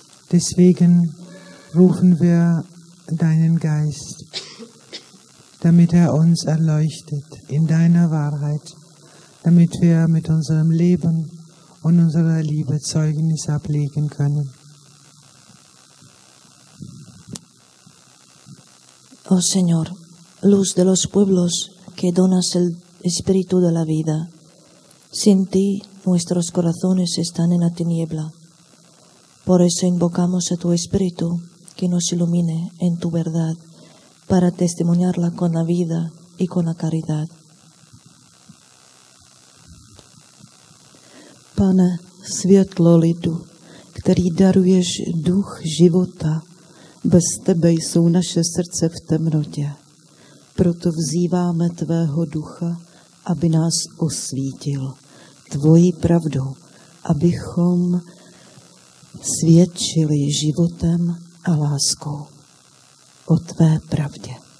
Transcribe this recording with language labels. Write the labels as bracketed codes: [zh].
[de] Deswegen rufen wir deinen Geist, damit er uns erleuchtet in deiner Wahrheit, damit wir mit unserem Leben und unserer Liebe Zeugnis ablegen können. [es] Oh Señor, luz de los pueblos que donas el espíritu de la vida, sin ti nuestros corazones están en la tiniebla. Por eso invocamos a tu espíritu que nos ilumine en tu verdad para testimoniarla con la vida y con la caridad. [cs] Pane, světlo lidu, který daruješ duch života, bez Tebe jsou naše srdce v temnotě. Proto vzýváme Tvého ducha, aby nás osvítil Tvojí pravdou, abychom svědčili životem a láskou o Tvé pravdě.